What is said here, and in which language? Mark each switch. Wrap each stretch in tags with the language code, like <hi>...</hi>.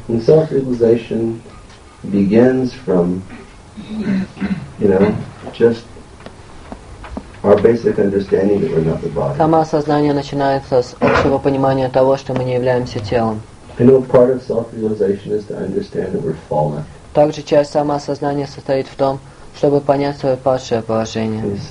<en>And self-realization begins from, you know, just our basic understanding that we're not the body.</en> <ru>Самоосознание начинается с общего понимания того, что мы не являемся телом.</ru> <en>You know, part of self-realization is to understand that we're fallen.</en> <ru>Также часть самоосознания состоит в том, чтобы понять свое падшее положение.</ru>